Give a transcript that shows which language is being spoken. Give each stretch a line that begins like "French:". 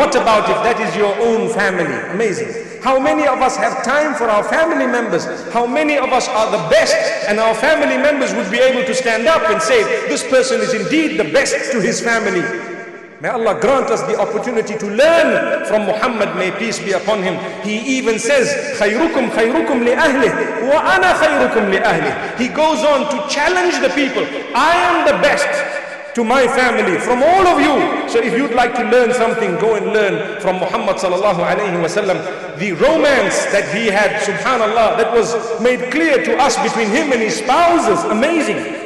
English: What about if that is your own family? Amazing. How many of us have time for our family members? How many of us are the best, and our family members would be able to stand up and say, this person is indeed the best to his family. May Allah grant us the opportunity to learn from Muhammad, may peace be upon him. He even says,
Arabic: خَيْرُكُمْ خَيْرُكُمْ لِأَهْلِهِ وَأَنَا خَيْرُكُمْ لِأَهْلِهِ.
English: He goes on to challenge the people. I am the best to my family from all of you. So if you'd like to learn something, go and learn from Muhammad sallallahu alayhi wa sallam. The romance that he had, subhanallah, that was made clear to us between him and his spouses, amazing.